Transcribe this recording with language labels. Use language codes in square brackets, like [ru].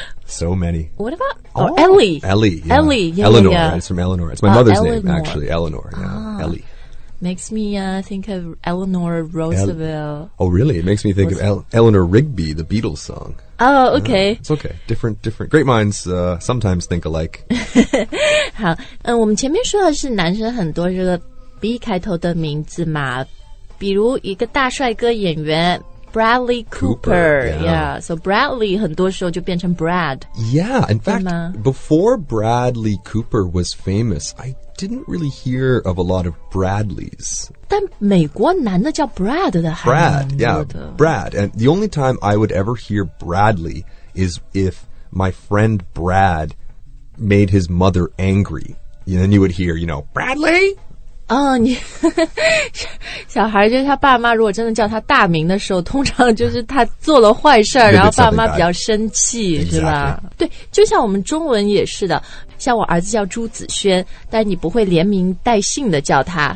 [en] So many. What about、oh, Ellie? Ellie. Yeah. Ellie, yeah. Eleanor, yeah. It's from Eleanor. It's my mother's name, actually. Eleanor, yeah.、 Ah. Ellie. Makes me、think of Eleanor Roosevelt. Oh, really? It makes me think of Eleanor Rigby, the Beatles song. Oh, okay.、 It's okay. Different. Great minds、sometimes think alike. [zh] 好、我们前面说的是男生很多这个 B 开头的名字嘛。比如一个大帅哥演员 Bradley Cooper. [en] Yeah. [zh] So Bradley 很多时候就变成 Brad. [en] Yeah. In fact, before Bradley Cooper was famous, I... didn't really hear of a lot of Bradleys. [zh] 但美国男的叫 Brad 的还是 [en] Brad, yeah, Brad. And the only time I would ever hear Bradley is if my friend Brad made his mother angry. And then you would hear, you know, Bradley? [zh] 小孩就是他爸妈如果真的叫他大名的时候通常就是他做了坏事然后爸妈比较生气是吧、 [en] exactly. [zh] 对就像我们中文也是的像我儿子叫朱子轩但你不会连名带姓的叫他、